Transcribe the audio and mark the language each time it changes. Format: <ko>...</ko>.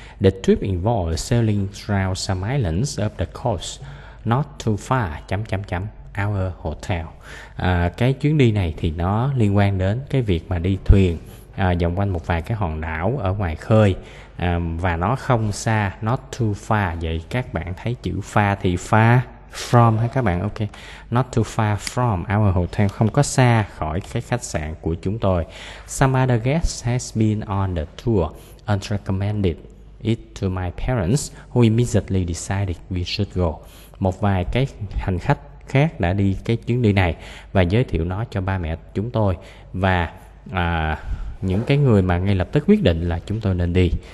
<en>The trip involved sailing around some islands of the coast, not too far our hotel.</en> <vi>Cái chuyến đi này thì nó liên quan đến cái việc mà đi thuyền vòng quanh một vài cái hòn đảo ở ngoài khơi, và nó không xa,</vi> <en>not too far.</en> <vi>Vậy các bạn thấy chữ far thì far from ha các bạn, ok,</vi> <en>not too far from our hotel,</en> <vi>không có xa khỏi cái khách sạn của chúng tôi.</vi> <en>Some other guests has been on the tour and recommended it to my parents, who immediately decided we should go.</en> <vi>Một vài cái hành khách khác đã đi cái chuyến đi này và giới thiệu nó cho ba mẹ chúng tôi, và những cái người mà ngay lập tức quyết định là chúng tôi nên đi.</vi>